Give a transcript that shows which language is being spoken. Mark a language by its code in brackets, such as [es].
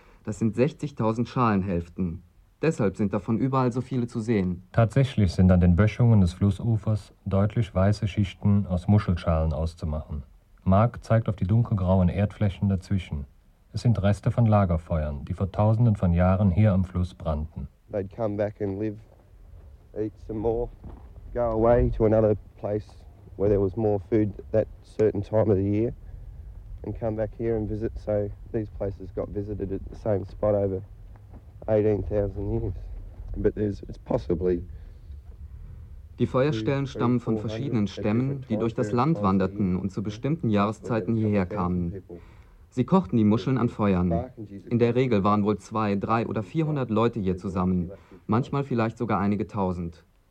[de] Das sind 60.000 Schalenhälften. Deshalb sind davon überall so viele zu sehen. Tatsächlich sind an den Böschungen des Flussufers deutlich weiße Schichten aus Muschelschalen auszumachen. Mark zeigt auf die dunkelgrauen Erdflächen dazwischen. Es sind Reste von Lagerfeuern, die vor tausenden von Jahren hier am Fluss brannten. [en] They'd come back and live, eat some more, go away to another place where there was more food that certain time of the year and come back here and visit. So these places got visited at the same spot over 18,000 years. But it's possibly... [de] Die Feuerstellen stammen von verschiedenen Stämmen, die durch das Land wanderten und zu bestimmten Jahreszeiten hierher kamen. Sie kochten die Muscheln an Feuern. In der Regel waren wohl 200, 300 oder 400 Leute hier zusammen, manchmal vielleicht sogar einige tausend.